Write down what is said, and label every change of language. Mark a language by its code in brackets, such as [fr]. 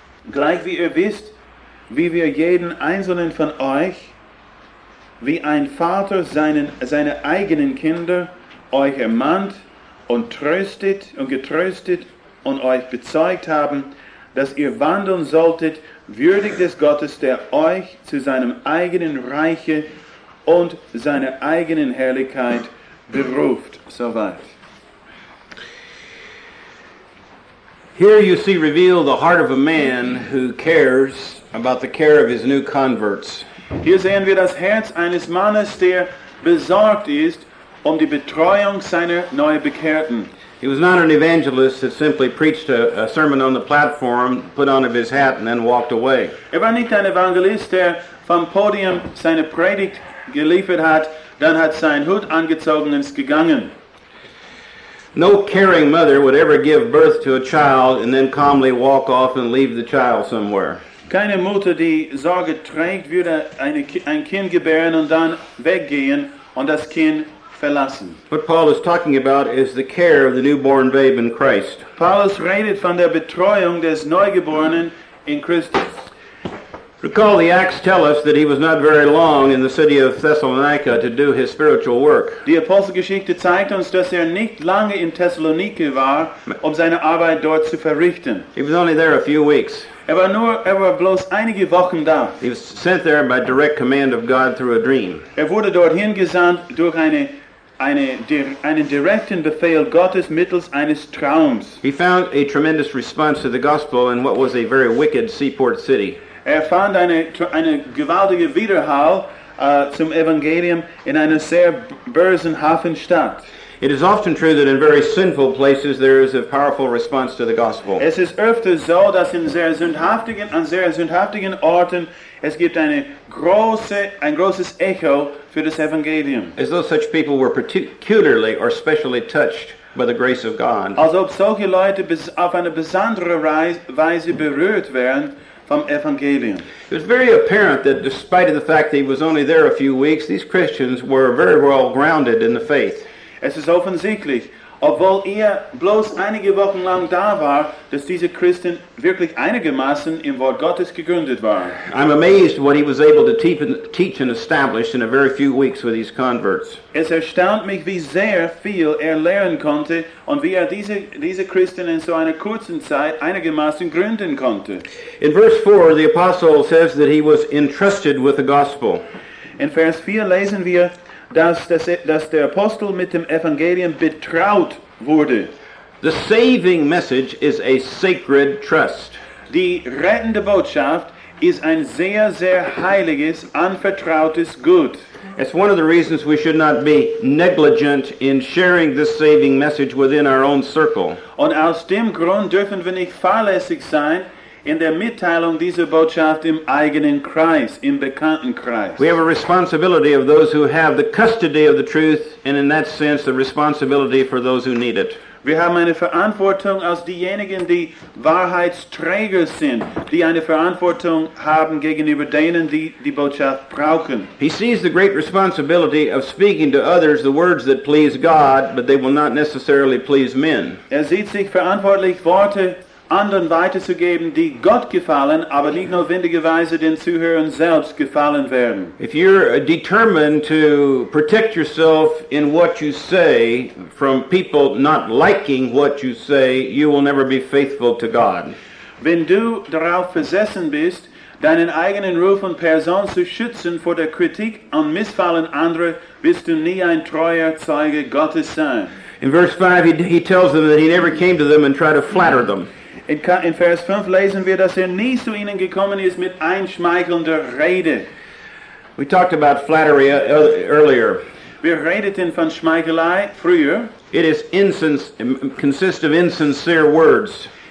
[de] Gleich wie ihr wisst, wie wir jeden einzelnen von euch, wie ein Vater seine eigenen Kinder euch ermahnt und tröstet und getröstet und euch bezeugt haben, dass ihr wandeln solltet würdig des Gottes, der euch zu seinem eigenen Reiche und seiner eigenen Herrlichkeit beruft. Soweit. [en] Here you see revealed the heart of a man who cares about the care of his new converts. [de] Hier sehen wir das Herz eines Mannes, der besorgt ist um die Betreuung seiner neuen Bekehrten. [en] He was not an evangelist that simply preached a sermon on the platform, put on of his hat, and then walked away. [de] Er war nicht ein Evangelist, der vom Podium seine Predigt geliefert hat, dann hat sein Hut angezogen und ist gegangen. [en] No caring mother would ever give birth to a child and then calmly walk off and leave the child somewhere. [de] Keine Mutter, die Sorge trägt, würde ein Kind gebären und dann weggehen und das Kind verlassen. [en] What Paul is talking about is the care of the newborn babe in Christ. [de] Paulus redet von der Betreuung des Neugeborenen in Christus. [en] Recall the Acts tell us that he was not very long in the city of Thessalonica to do his spiritual work. [de] Die Apostelgeschichte zeigt uns, dass er nicht lange in Thessalonica war, um seine Arbeit dort zu verrichten. [en] He was only there a few weeks. [de] Er war bloß einige Wochen da. [en] He was sent there by direct command of God through a dream. [de] Er wurde dorthin gesandt durch einen direkten Befehl Gottes mittels eines Traums. [en] He found a tremendous response to the gospel in what was a very wicked seaport city. [de] Er fand eine gewaltige Widerhall zum Evangelium in einer sehr bösen Hafenstadt. [en] It is often true that in very sinful places there is a powerful response to the gospel. [de] Es ist öfter so, dass in sehr sündhaftigen Orten es gibt ein großes Echo für das Evangelium. [en] As though such people were peculiarly or specially touched by the grace of God. [de] Als ob solche Leute auf eine besondere Weise berührt wären. [en] It was very apparent that despite of the fact that he was only there a few weeks, these Christians were very well grounded in the faith. [de] Es ist offensichtlich, obwohl er bloß einige Wochen lang da war, dass diese Christen wirklich einigermaßen im Wort Gottes gegründet waren. [en] I'm amazed what he was able to teach and establish in a very few weeks with these converts. [de] Es erstaunt mich, wie sehr viel er lernen konnte und wie er diese Christen in so einer kurzen Zeit einigermaßen gründen konnte. [en] In verse 4, the apostle says that he was entrusted with the gospel. [de] In Vers 4 lesen wir, dass der Apostel mit dem Evangelium betraut wurde. [en] The saving message is a sacred trust. [de] Die rettende Botschaft ist ein sehr, sehr heiliges, anvertrautes Gut. [en] It's one of the reasons we should not be negligent in sharing this saving message within our own circle. [de] Und aus dem Grund dürfen wir nicht fahrlässig sein, in der Mitteilung dieser Botschaft im eigenen Kreis, im bekannten Kreis. [en] We have a responsibility of those who have the custody of the truth, and in that sense, the responsibility for those who need it. [de] Wir haben eine Verantwortung als diejenigen, die Wahrheitsträger sind, die eine Verantwortung haben gegenüber denen, die die Botschaft brauchen. [en] He sees the great responsibility of speaking to others the words that please God, but they will not necessarily please men. [de] Er sieht sich verantwortlich, Worte anderen weiterzugeben, die Gott gefallen, aber nicht notwendigerweise den Zuhörern selbst gefallen werden. [en] If you're determined to protect yourself in what you say from people not liking what you say, you will never be faithful to God. [de] Wenn du darauf versessen bist, deinen eigenen Ruf und Person zu schützen vor der Kritik und Missfallen anderer, bist du nie ein treuer Zeuge Gottes sein. [en] In verse 5 he tells them that he never came to them and tried to flatter them. [de] In Vers 5 lesen wir, dass er nie zu ihnen gekommen ist mit einschmeichelnder Rede. [en] We talked about flattery earlier. [de] Wir redeten von Schmeichelei früher. [en] It is consists of insincere words.